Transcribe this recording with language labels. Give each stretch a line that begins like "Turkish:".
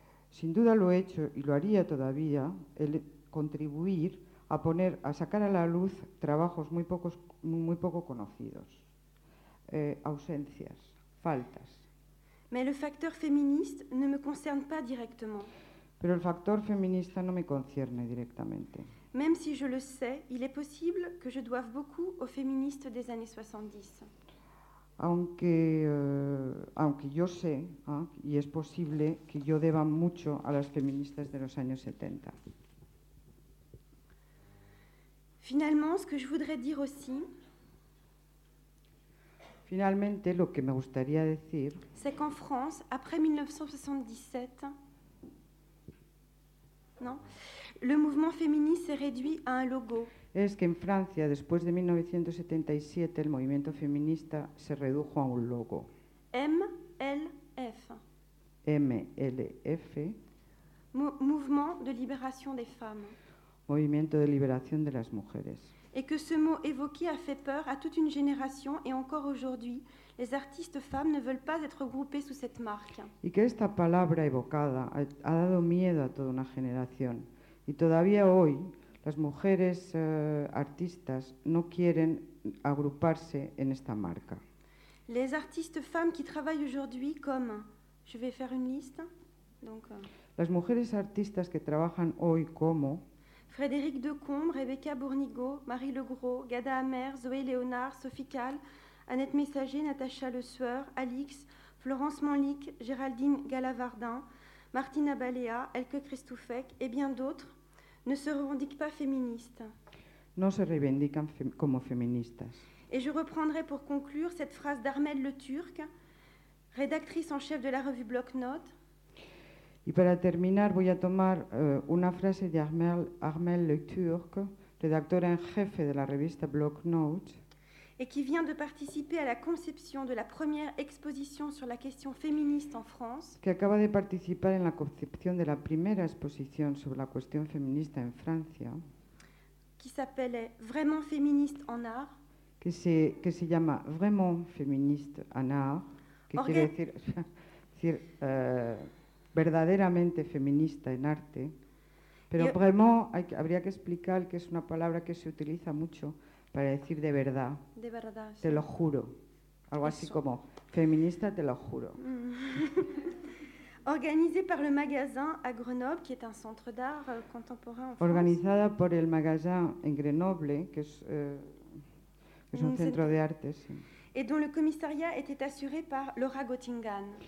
Spanish: Sin duda lo he hecho y lo haría todavía, el contribuir a poner, a sacar a la luz trabajos muy poco conocidos. Ausencias, faltas.
French: Mais le facteur féministe ne me concerne pas directement.
Spanish: Pero el factor feminista no me concierne directamente.
French: Même si je le sais, il est possible que je doive beaucoup aux féministes des années 70.
Spanish: Aunque yo sé, y es posible que yo deba mucho a las feministas de los años 70.
French: Finalement, ce que je voudrais dire aussi.
Spanish: Finalmente, lo que me gustaría decir,
French: c'est qu'en France, après 1977, non, le mouvement féministe s'est réduit à un logo.
Spanish: Es que en Francia, después de 1977, el movimiento feminista se redujo a un logo.
French: MLF.
Spanish: MLF.
French: Mouvement de libération des femmes.
Spanish: Movimiento de liberación de las mujeres.
French: Et que ce mot évoqué a fait peur à toute une génération, et encore aujourd'hui, les artistes femmes ne veulent pas être groupées sous cette marque.
Spanish: Y que esta palabra evocada ha dado miedo a toda una generación, y todavía hoy las mujeres artistas no quieren agruparse en esta marca.
French: Les artistes femmes qui travaillent aujourd'hui comme, je vais faire une liste, donc.
Spanish: Las mujeres artistas que trabajan hoy como.
French: Frédéric Decombe, Rebecca Bournigo, Marie Le Gros, Gada Amer, Zoé Léonard, Sophie Calle, Annette Messager, Natacha Le Sueur, Alix, Florence Manlic, Géraldine Galavardin, Martina Balea, Elke Christoufek et bien d'autres ne se revendiquent pas féministes.
Spanish: no se reivindican como feministas.
French: Et je reprendrai pour conclure cette phrase d'Armel Le Turc, rédactrice en chef de la revue Bloc-Notes.
Spanish: Y para terminar voy a tomar una frase de Armel Le Turc, rédactrice en jefe de la revista Bloc-Notes.
French: Et qui vient de participer à la conception de la première exposition sur la question féministe en France.
Spanish: Que acaba de participar en la concepción de la primera exposición sobre la cuestión feminista en Francia.
French: Qui s'appelait Vraiment féministe en art.
Spanish: Que se llama Vraiment féministe en art. Que quiere decir, verdaderamente feminista en arte. Pero vraiment, habría que explicar que es una palabra que se utiliza mucho. Para decir de verdad, de verdad, te lo juro, algo así como feminista, te lo juro.
French: Organisé par le magasin à Grenoble, qui est un centre d'art contemporain.
Spanish: Organizada por el magasin en Grenoble, que es un centro de arte. Sí.
French: Et dont le commissariat était assuré par Laura Göttingen.